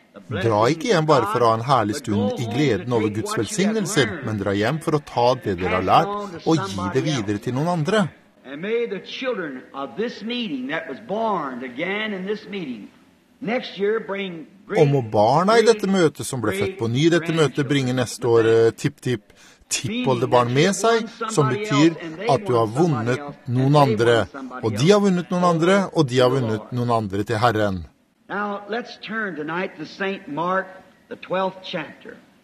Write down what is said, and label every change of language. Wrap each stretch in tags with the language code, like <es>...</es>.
<no>Dra ikke hjem bare for å ha en herlig stund i gleden over Guds velsignelser, men dra hjem for å ta det dere har lært og gi det videre til noen andre.</no> <en>And may the children of this meeting that was born again in this meeting next year bring great.</en> <no>Og må barna i dette møtet som ble født på ny i dette møtet bringe neste år tippoldebarn med seg, som betyr at du har vunnet noen andre, og de har vunnet noen andre, og de har vunnet noen andre til Herren.</no> <en>Now let's turn tonight to St. Mark, the 12th chapter.</en>